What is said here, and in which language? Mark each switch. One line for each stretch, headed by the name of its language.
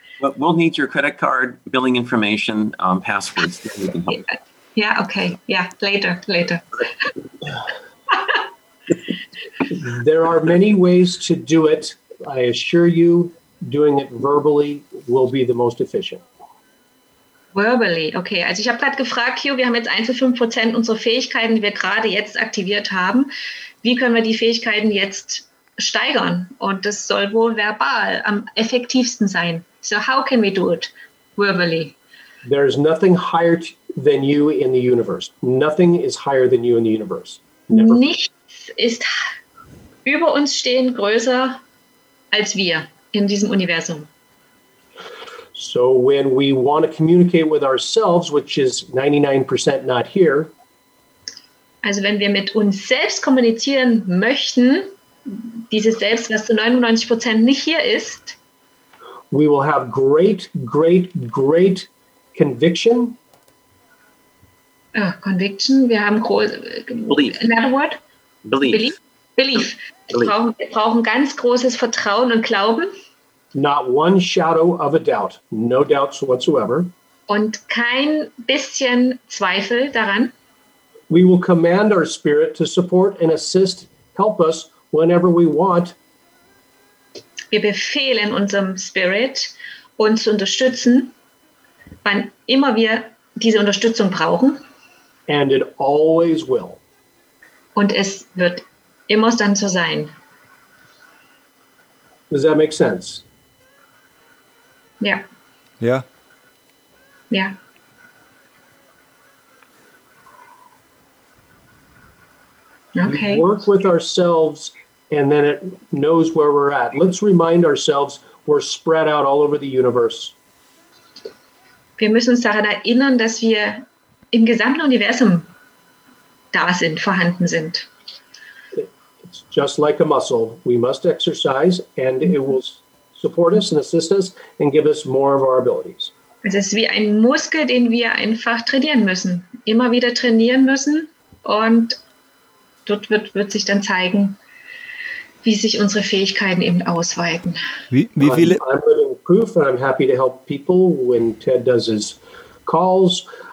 English: But we'll need your credit card, billing information, passwords. That we can help. Yeah, okay. Yeah, later. There are many ways to do it. I assure you, doing it verbally will be the most efficient. Verbally, okay.
German: Also ich habe gerade gefragt, Q, wir haben jetzt 1-5% unserer Fähigkeiten, die wir gerade jetzt aktiviert haben. Wie können wir die Fähigkeiten jetzt steigern? Und das soll wohl verbal am effektivsten sein.
English: So how can we do it verbally? There is nothing higher than you in the universe. Nothing is higher than you in the universe. Never.
German: Nichts ist über uns stehend größer als wir in diesem Universum.
English: So when we want to communicate with ourselves, which is 99% not here.
German: Also wenn wir mit uns selbst kommunizieren möchten, dieses Selbst, was zu 99% nicht hier ist.
English: We will have great, great, great conviction.
German: Conviction, wir haben große...
English: Belief. Another word? Belief.
German: Belief. Wir brauchen ganz großes Vertrauen und Glauben.
English: Not one shadow of a doubt. No doubts whatsoever.
German: Und kein bisschen Zweifel daran.
English: We will command our spirit to support and assist, help us whenever we want.
German: Wir befehlen unserem Spirit, uns zu unterstützen, wann immer wir diese Unterstützung brauchen.
English: And it always will.
German: Und es wird immer dann so sein.
English: Does that make sense? Yeah. Yeah. Yeah. Okay. We work with ourselves and then it knows where we're at. Let's remind ourselves we're spread out all over the universe.
German: Wir müssen uns daran erinnern, dass wir im gesamten Universum da sind, vorhanden sind.
English: It's just like a muscle. We must exercise and it will support us and assist us and give us more of our abilities.
German: Es ist wie ein Muskel, den wir einfach trainieren müssen. Immer wieder trainieren müssen und dort wird sich dann zeigen, wie sich unsere Fähigkeiten eben ausweiten. Wie viele?
English: I'm living proof and I'm happy to help people when Ted does his calls.